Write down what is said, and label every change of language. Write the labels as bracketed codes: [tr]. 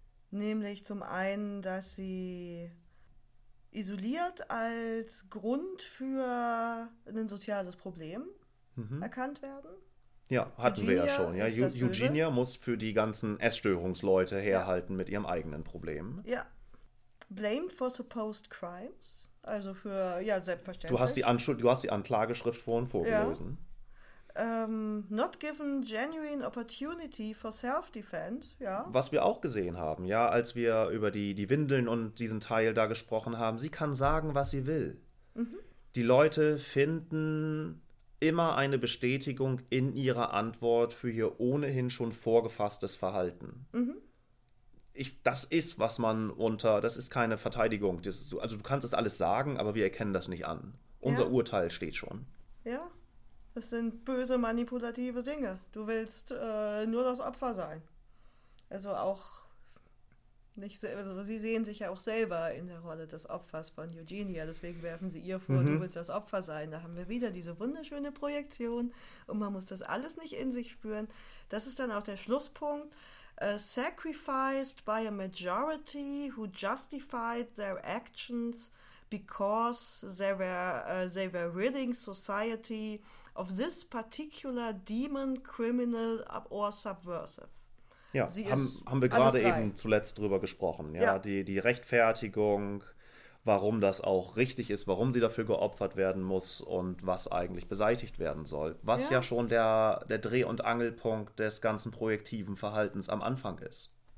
[de] Nämlich zum einen, dass sie isoliert als Grund für ein soziales Problem erkannt werden. Ja, hatten Eugenia wir ja schon. Ja. Eugenia muss für die ganzen Essstörungsleute herhalten mit ihrem eigenen Problem. Ja. [en] Blamed for supposed crimes. [de] Also für, ja, selbstverständlich. Du hast die Anklageschrift vorhin vorgelesen. Ja. [en] Not given genuine opportunity for self-defense, ja. [de] Was wir auch gesehen haben, ja, als wir über die Windeln und diesen Teil da gesprochen haben, sie kann sagen, was sie will. Mhm. Die Leute finden immer eine Bestätigung in ihrer Antwort für ihr ohnehin schon vorgefasstes Verhalten. Das ist, was man unter, das ist keine Verteidigung. Das ist, also du kannst das alles sagen, aber wir erkennen das nicht an. Unser Urteil steht schon. Ja, das sind böse manipulative Dinge. Du willst nur das Opfer sein. Also auch nicht, also sie sehen sich ja auch selber in der Rolle des Opfers von Eugenia, deswegen werfen sie ihr vor, du willst das Opfer sein. Da haben wir wieder diese wunderschöne Projektion und man muss das alles nicht in sich spüren. Das ist dann auch der Schlusspunkt. [en] Sacrificed by a majority who justified their actions because they were ridding society of this particular demon, criminal or subversive. [de] Ja, haben wir gerade eben zuletzt drüber gesprochen. Ja, die Rechtfertigung, warum das auch richtig ist, warum sie dafür geopfert werden muss und was eigentlich beseitigt werden soll. Was ja schon der Dreh- und Angelpunkt des ganzen projektiven Verhaltens am Anfang ist.